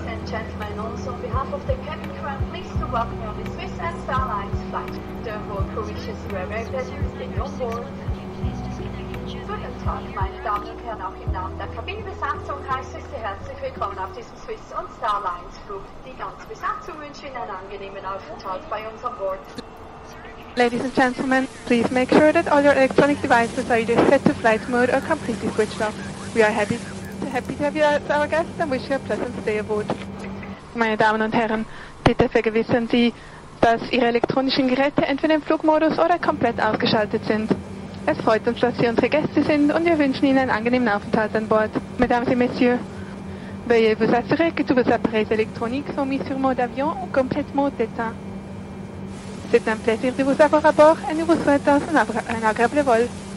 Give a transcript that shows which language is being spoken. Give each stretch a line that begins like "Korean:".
English: Gentlemen, also on behalf of the cabin crew, I'm pleased to welcome you on the Swiss and Star Lines flight. Therefore, crew wishes you a very pleasant stay on board.
German: Guten Tag, meine Damen und Herren, auch im Namen der Kabinenbesatzung heiße ich Sie herzlich willkommen auf diesem Swiss und Star Lines Flug. Die ganze Besatzung wünscht Ihnen einen angenehmen Aufenthalt bei uns an Bord.
English: Ladies and gentlemen, please make sure that all your electronic devices are either set to flight mode or completely switched off. We are happy to have you as our guest and wish you a pleasant stay aboard.
German: Meine Damen und Herren, bitte vergewissern Sie, dass Ihre elektronischen Geräte entweder im Flugmodus oder komplett ausgeschaltet sind. Es freut uns, dass Sie unsere Gäste sind und wir wünschen Ihnen einen angenehmen Aufenthalt an Bord.
French: Mesdames et Messieurs, veuillez vous assurer que tous vos appareils électroniques sont mis sur mode avion ou complètement éteint. C'est un plaisir de vous avoir à bord et nous vous souhaitons un agréable vol.